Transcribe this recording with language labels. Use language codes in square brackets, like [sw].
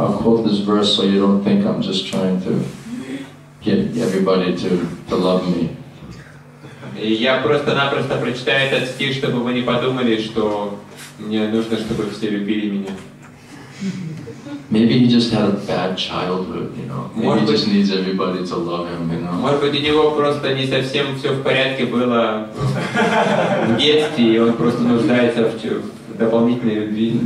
[en] I'll quote this verse so you don't think I'm just trying to get everybody to love me. [ru] Я просто-напросто прочитаю этот стих, чтобы вы не подумали, что мне нужно, чтобы все любили меня. [en] Maybe he just had a bad childhood, you know. Maybe he just needs everybody to love him, you know. [ru] Может быть, у него просто не совсем все в порядке было в детстве, и он просто нуждается в дополнительной любви.